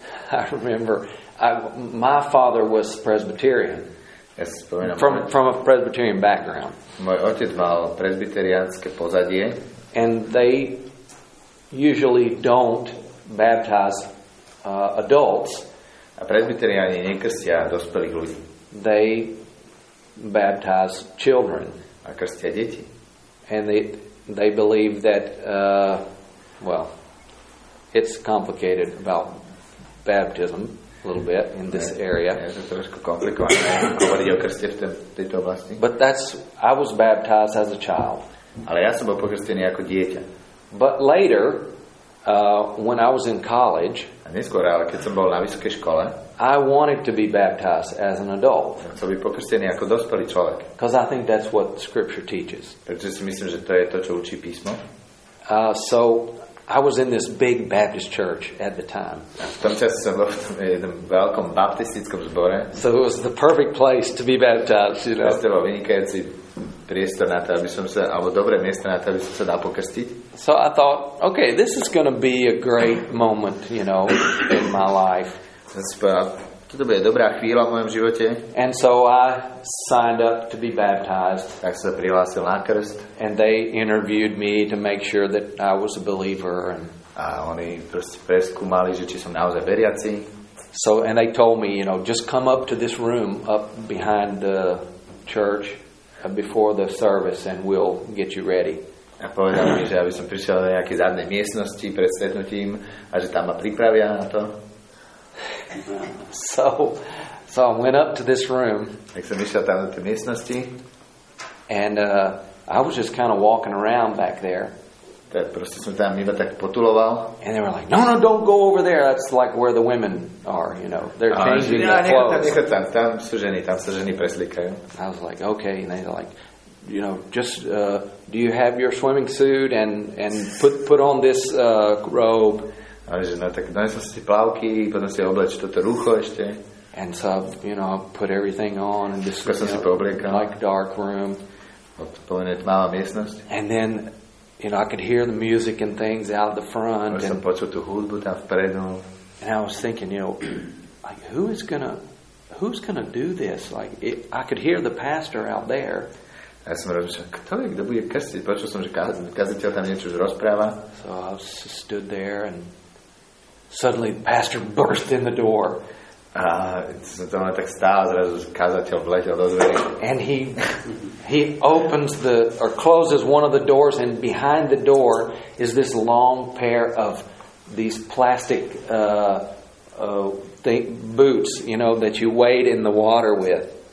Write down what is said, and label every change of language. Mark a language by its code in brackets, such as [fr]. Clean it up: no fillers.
[en] I remember my father was Presbyterian. [sk] Ja si spomínam, [en] from a Presbyterian background. [sk] Môj otec mal presbyteriánske pozadie. [en] And they usually don't baptize adults. [sk] A presbyteriáni nekrstia dospelých ľudí. [en] They baptize children. [sk] A krstia deti. [en] And they believe that well, it's complicated about baptism a little bit in this area. But I was baptized as a child. [sk] Ale ja som bol pokrstený ako dieťa. [en] But later, when I was in college, [sk] a neskôr, ale keď som bol na vysokej škole, [en] I wanted to be baptized as an adult. [sk] Chcel byť pokrstený ako dospelý človek. [en] Because I think that's what Scripture teaches. [sk] Pretože si myslím, že to je to, čo učí písmo. [en] So I was in this big Baptist church at the time. [sk] V tom čase som bol v tom jednom veľkom baptistickom zbore. [en] So it was the perfect place to be baptized, you know. [sk] To bolo vynikajúci priestor na to, aby som sa, alebo dobré miesto na to, aby som sa dal pokrstiť. [en] So I thought, okay, this is going to be a great moment, you know, in my life. [sk] Toto bude dobrá chvíľa v mojom živote. [en] And so I signed up to be baptized. [sk] Tak sa prihlásil na krst. [en] And they interviewed me to make sure that I was a believer. And [sk] a oni proste preskúmali, že či som naozaj veriaci. [en] So, and they told me, you know, just come up to this room up behind the church before the service and we'll get you ready. [sk] A povedal mi, že aby som prišiel do nejakej zadnej miestnosti pred stretnutím a že tam ma pripravia na to. [en] So I went up to this room. [sk] Tak som išiel tam do tej miestnosti. [en] And I was just kind of walking around back there. [sk] Tak proste som tam iba tak potuloval. [en] And they were like, no, don't go over there. That's like where the women are, you know. They're changing their clothes. [sk] Tam sú ženy, preslíkajú. [en] I was like, okay. And they're like, you know, just do you have your swimming suit and put on this robe? [sk] Ale že, no tak donesol si plavky, potom si obleč toto rucho ešte. [en] And so, you know, put everything on and this was, you know, like dark room. [sk] Plne tmavá miestnosť. [en] And then, you know, I could hear the music and things out the front. [sk] Som počul tú hudbu tam vpredu. [en] And I was thinking, you know, like who's gonna do this? Like I could hear the pastor out there. [sk] A ja som rozmýšľal, kto je, kto bude krstiť? Počul som, že kazateľ tam niečo už rozpráva. [en] So I was stood there and suddenly the pastor burst in the door. [sk] Som tak stál, zrazu kazateľ vletel do dverí. [en] And he opens the, or closes one of the doors, and behind the door is this long pair of these plastic boots, you know, that you wade in the water with.